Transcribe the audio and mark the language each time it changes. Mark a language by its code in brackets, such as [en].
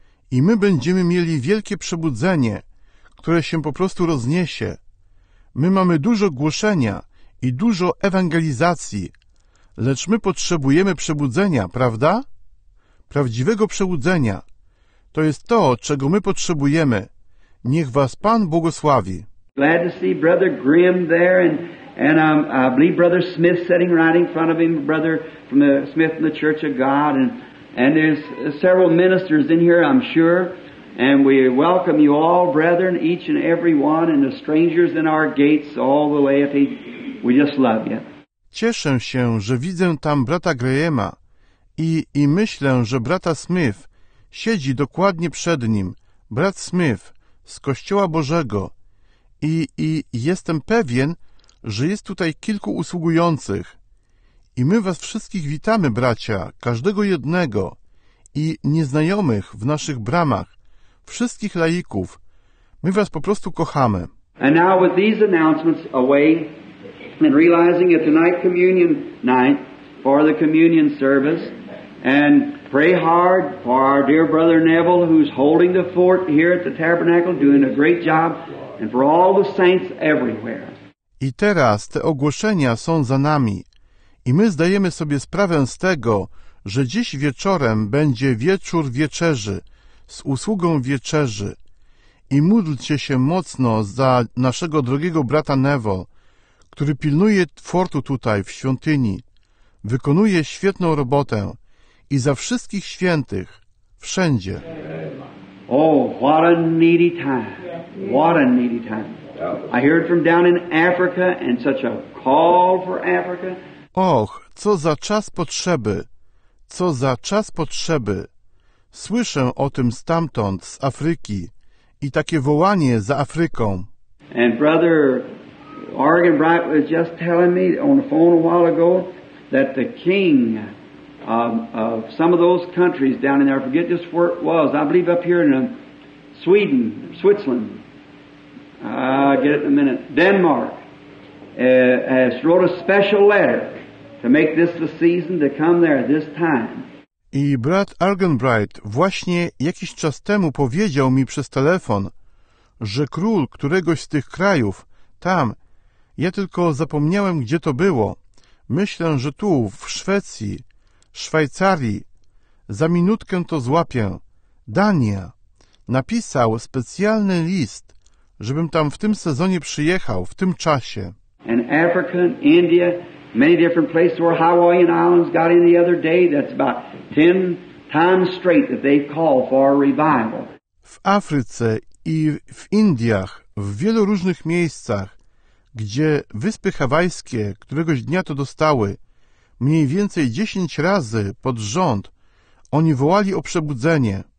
[pl] I my będziemy mieli wielkie przebudzenie, które się po prostu rozniesie. My mamy dużo głoszenia i dużo ewangelizacji, lecz my potrzebujemy przebudzenia, prawda? Prawdziwego przebudzenia. To jest to, czego my potrzebujemy. Niech was Pan błogosławi. [en] Glad to see Brother Grimm there and I believe Brother Smith sitting right in front of him, Brother from the Smith in the Church of God, and there's several ministers in here, I'm sure, and we welcome you all, brethren, each and every one, and the strangers in our gates, all the laity. We just love you. [pl] Cieszę się, że widzę tam brata Grahama i myślę, że brata Smith siedzi dokładnie przed nim, brat Smith z Kościoła Bożego, i jestem pewien, że jest tutaj kilku usługujących. I my was wszystkich witamy, bracia, każdego jednego i nieznajomych w naszych bramach, wszystkich laików. My was po prostu kochamy. [en] And now with these announcements away and realizing it tonight communion night for the communion service and pray hard for our dear brother Neville who's holding the fort here at the tabernacle doing a great job and for all the saints everywhere. [pl] I teraz te ogłoszenia są za nami. I my zdajemy sobie sprawę z tego, że dziś wieczorem będzie wieczór wieczerzy, z usługą wieczerzy. I módlcie się mocno za naszego drogiego brata Neville, który pilnuje fortu tutaj w świątyni, wykonuje świetną robotę i za wszystkich świętych, wszędzie. [en] Oh, what a needy time. What a needy time. I heard from down in Africa and such a call for Africa. [pl] Och, co za czas potrzeby, co za czas potrzeby. Słyszę o tym stamtąd, z Afryki, i takie wołanie za Afryką. [en] And brother Oregon Bright was just telling me on the phone a while ago that the king of some of those countries down in there, I forget just where it was, I believe up here in Sweden, Switzerland, I'll get it in a minute, Denmark, has wrote a special letter to make this the season to come there at this time. [pl] I brat Argenbright właśnie jakiś czas temu powiedział mi przez telefon, że król któregoś z tych krajów, tam, ja tylko zapomniałem, gdzie to było, Myślę, że tu, w Szwecji, Szwajcarii, za minutkę to złapię, Dania, napisał specjalny list, żebym tam w tym sezonie przyjechał, w tym czasie. [en] And Africa, India, many different places where Hawaiian Islands got in the other day, that's about 10 times straight that they call for a revival. [pl] W Afryce i w Indiach, w wielu różnych miejscach, gdzie Wyspy Hawajskie któregoś dnia to dostały, mniej więcej 10 razy pod rząd, oni wołali o przebudzenie.